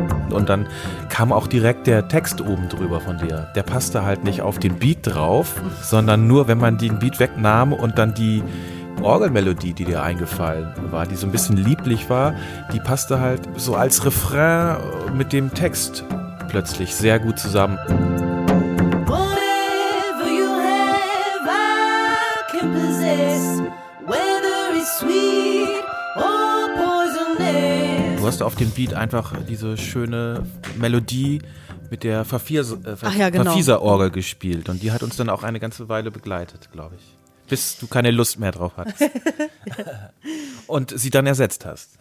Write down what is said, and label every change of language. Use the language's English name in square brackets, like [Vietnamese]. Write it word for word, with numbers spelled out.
[German] Und dann kam auch direkt der Text oben drüber von dir. Der passte halt nicht auf den Beat drauf, sondern nur, wenn man den Beat wegnahm und dann die Orgelmelodie, die dir eingefallen war, die so ein bisschen lieblich war, die passte halt so als Refrain mit dem Text plötzlich sehr gut zusammen. [English] Whatever you have, I can possess, whether it's sweet or poisonous. [German] Du hast auf dem Beat einfach diese schöne Melodie mit der Verfiers- äh, ja, genau. Verfieser-Orgel gespielt. Und die hat uns dann auch eine ganze Weile begleitet, glaube ich. Bis du keine Lust mehr drauf hattest. Ja. Und sie dann ersetzt hast.